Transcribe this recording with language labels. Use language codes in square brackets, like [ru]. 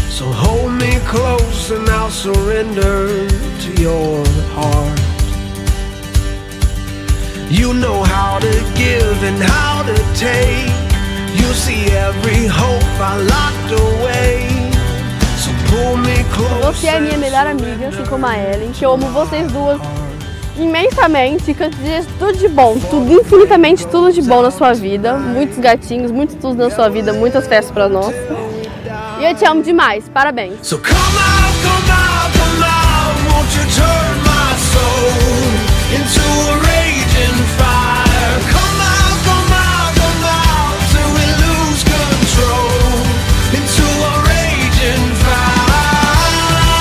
[en] So hold me close and I'll surrender to your heart. You know how to give and how to take. You see every hope I locked away. So pull me close. [pt] Você é minha melhor amiga, assim como a Ellen, que eu amo vocês duas imensamente, que eu desejo tudo de bom, tudo, infinitamente tudo de bom na sua vida. Muitos gatinhos, muito tudo na sua vida, muitas festas pra nós. E eu te amo demais, parabéns. [en] So come out, come out, come out. Won't you turn my soul into a raging fire? Come out, come out, come out. Till we lose control into a raging fire.